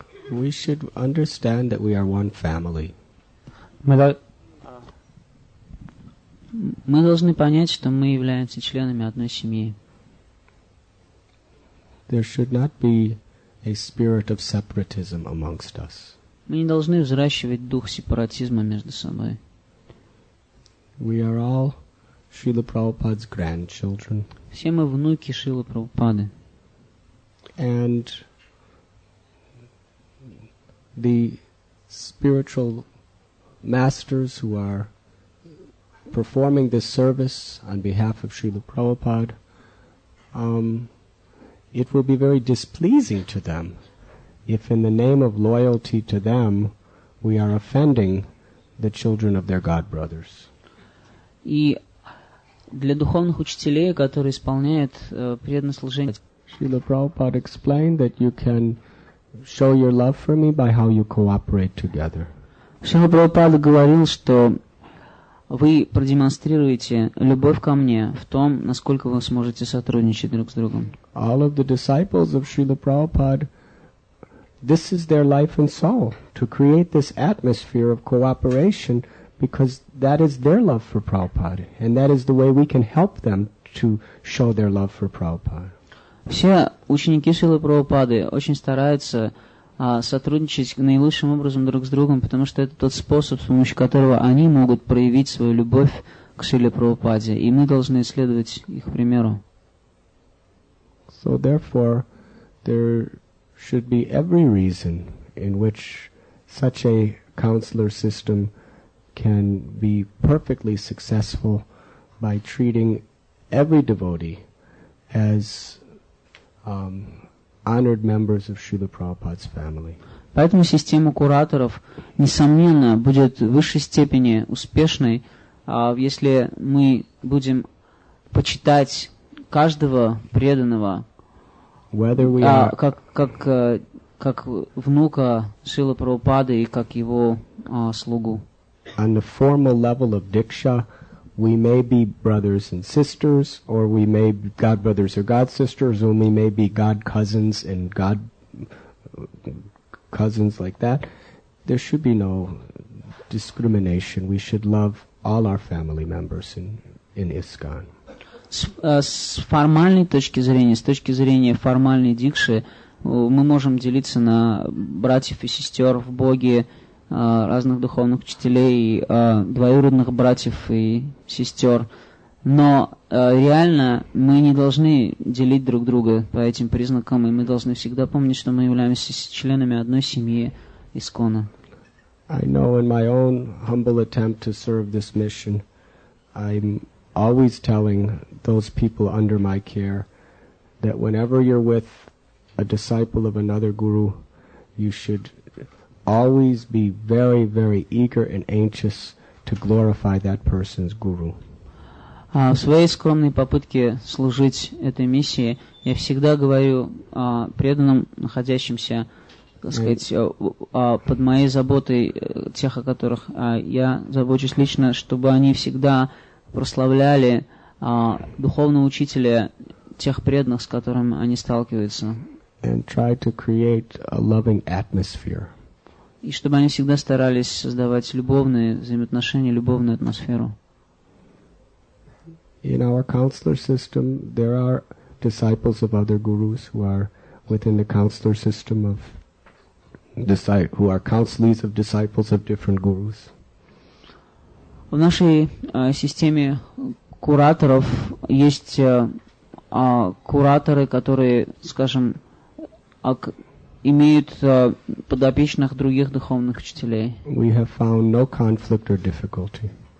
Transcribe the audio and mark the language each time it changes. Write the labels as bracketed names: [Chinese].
[English] We should understand that we are one family. [Russian] Мы должны понять, что мы являемся членами одной семьи. [English] There should not be a spirit of separatism amongst us. [Russian] Мы не должны взращивать дух сепаратизма между собой. [English] We are all Srila Prabhupada's grandchildren. [Russian] Все мы внуки Шрилы Прабхупады. [English] And the spiritual masters who are performing this service on behalf of Srila Prabhupada, it will be very displeasing to them if in the name of loyalty to them we are offending the children of their god brothers. [Russian] И для духовных учителей, которые исполняют преданное служение, [English] Srila Prabhupada explained that you can show your love for me by how you cooperate together. [Russian] Srila Prabhupada говорил, что вы продемонстрируете любовь ко мне в том, насколько вы сможете сотрудничать друг с другом. [English] All of the disciples of Srila Prabhupada, this is their life and soul, to create this atmosphere of cooperation, because that is their love for Prabhupada, and that is the way we can help them to show their love for Prabhupada. [Russian] Все ученики Шрилы Прабхупады очень стараются сотрудничать наилучшим образом друг с другом, потому что это тот способ, с помощью которого они могут проявить свою любовь к Шриле Прабхупаде, и мы должны следовать их примеру. [English] So therefore, there should be every reason in which such a counselor system can be perfectly successful by treating every devotee as honored members of Srila Prabhupada's family. [Russian] Поэтому система кураторов, несомненно, будет в высшей степени успешной, если мы будем почитать каждого преданного как внука Шрилы Прабхупады и как его слугу. [English] On the formal level of diksha, we may be brothers and sisters, or we may be god brothers or god sisters, or we may be god cousins and god cousins like that. There should be no discrimination. We should love all our family members in ISKCON. [Russian] С формальной точки зрения, с точки зрения формальной дикши, мы можем делиться на братьев и сестер в Боге, разных духовных учителей, двоюродных братьев и сестер. Но реально мы не должны делить друг друга по этим признакам, и мы должны всегда помнить, что мы являемся членами одной семьи ИСККОНа. [English] I know in my own humble attempt to serve this mission, I'm always telling those people under my care that whenever you're with a disciple of another guru, you should always be very, very eager and anxious to glorify that person's guru. [Russian] В своей скромной попытке служить этой миссии я всегда говорю преданным, находящимся, так сказать, под моей заботой, тех, о которых я забочусь лично, чтобы они всегда прославляли духовного учителя тех преданных, с которыми они сталкиваются. [English] And try to create a loving atmosphere. [Russian] И чтобы они всегда старались создавать любовные взаимоотношения, любовную атмосферу. [English] In our counselor system, there are disciples of other gurus who are within the counselor system of who are counselees of disciples of different gurus. [Russian] В нашей системе кураторов есть кураторы, которые, скажем, имеют подопечных других духовных учителей. [English] We have found no conflict or difficulty.